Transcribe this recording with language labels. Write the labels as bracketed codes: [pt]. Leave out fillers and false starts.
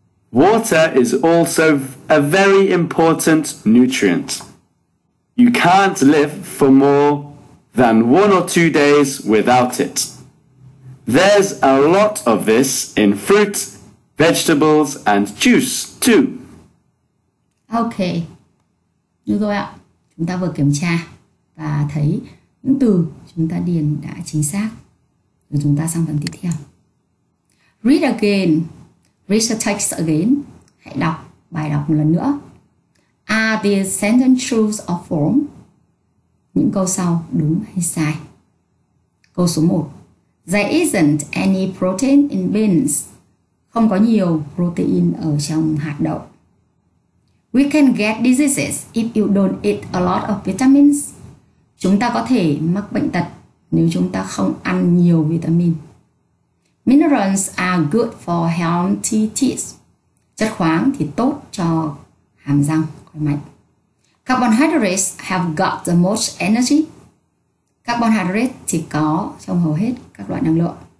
[en] Water is also a very important nutrient. You can't live for more than 1 or 2 days without it. There's a lot of this in fruit, vegetables and juice too. [vi] Okay, như rồi ạ, chúng ta vừa kiểm tra và thấy những từ chúng ta điền đã chính xác. Rồi chúng ta sang phần tiếp theo. [en] Read again. Read the text again. [vi] Hãy đọc bài đọc một lần nữa. [en] Are the sentence true or false? [vi] Những câu sau đúng hay sai? Câu số 1. [en] There isn't any protein in beans. [vi] Không có nhiều protein ở trong hạt đậu. [en] We can get diseases if you don't eat a lot of vitamins. [vi] Chúng ta có thể mắc bệnh tật nếu chúng ta không ăn nhiều vitamin. [en] Minerals are good for healthy teeth. [vi] Chất khoáng thì tốt cho hàm răng khỏe mạnh. [en] Carbohydrates have got the most energy. [vi] Carbohydrates thì có trong hầu hết các loại năng lượng.